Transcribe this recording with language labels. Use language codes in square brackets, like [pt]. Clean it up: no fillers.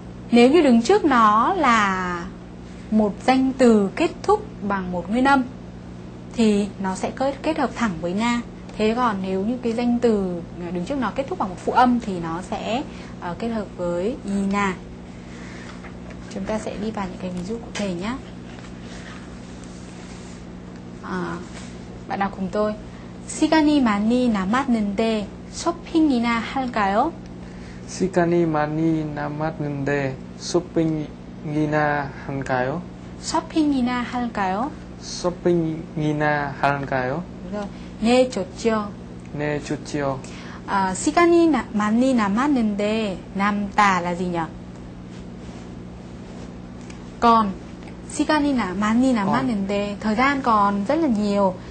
[vi] Nếu như đứng trước nó là một danh từ kết thúc bằng một nguyên âm thì nó sẽ kết hợp thẳng với na. Thế còn nếu như cái danh từ đứng trước nó kết thúc bằng một phụ âm thì nó sẽ kết hợp với ina. Chúng ta sẽ đi vào những cái ví dụ cụ thể nhé. Bạn nào cùng tôi. [ko] 시간이 많이 남았는데 쇼핑이나 할까요? 시간이 많이 남았는데 쇼핑이나 할까요? 쇼핑이나 할까요? 쇼핑이나 할까요? 네, 좋죠. 네, 좋죠. 시간이 많이 남았는데 남다 [vi] là gì nhỉ? Còn [ko] 시간이 많이 남았는데 [vi] thời gian còn rất là nhiều.